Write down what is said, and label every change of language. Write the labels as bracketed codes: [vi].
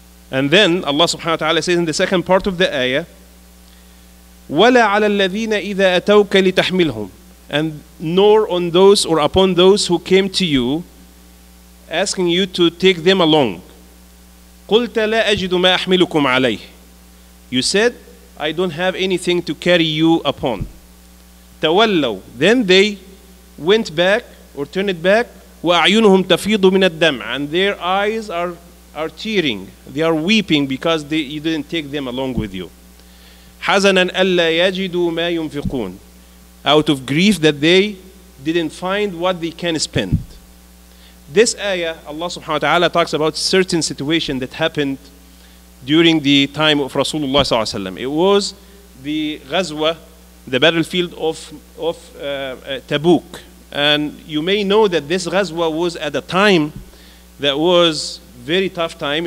[en] And then Allah subhanahu wa ta'ala says in the second part of the ayah, [ar] وَلَا عَلَى الَّذِينَ إِذَا أَتَوْكَ لِتَحْمِلْهُمْ. [en] And nor on those or upon those who came to you asking you to take them along. [ar] قلت لا أجد ما أحملكم عليه. [en] You said, I don't have anything to carry you upon. [ar] تولوا. [en] Then they went back or turned back. [ar] وأعينهم تفيض من الدمع. [en] And their eyes are tearing. They are weeping because you didn't take them along with you. [ar] حزنا ألا يجدوا ما ينفقون. [en] Out of grief that they didn't find what they can spend. This ayah, Allah subhanahu wa ta'ala talks about certain situation that happened during the time of Rasulullah sallallahu alaihi wasallam. It was the ghazwa the battlefield of Tabuk. And you may know that this Ghazwa was at a time that was very tough time.